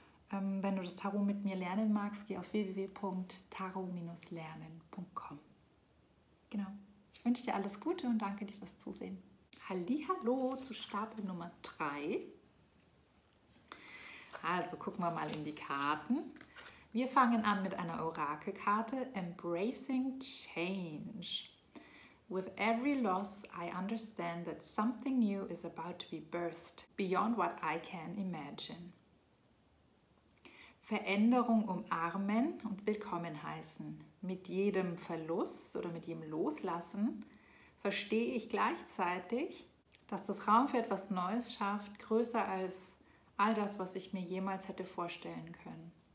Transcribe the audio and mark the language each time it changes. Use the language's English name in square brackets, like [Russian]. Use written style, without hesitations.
[German] Wenn du das Tarot mit mir lernen magst, geh auf www.tarot-lernen.com. Genau. Ich wünsche dir alles Gute und danke dir fürs Zusehen. Hallihallo zu Stapel Nummer 3. Also gucken wir mal in die Karten. Wir fangen an mit einer Orakelkarte. [English] Embracing Change. With every loss, I understand that something new is about to be birthed beyond what I can imagine. [German] Veränderung umarmen und willkommen heißen. Mit jedem Verlust oder mit jedem Loslassen verstehe ich gleichzeitig, dass das Raum für etwas Neues schafft, größer als all das, was ich mir jemals hätte vorstellen können.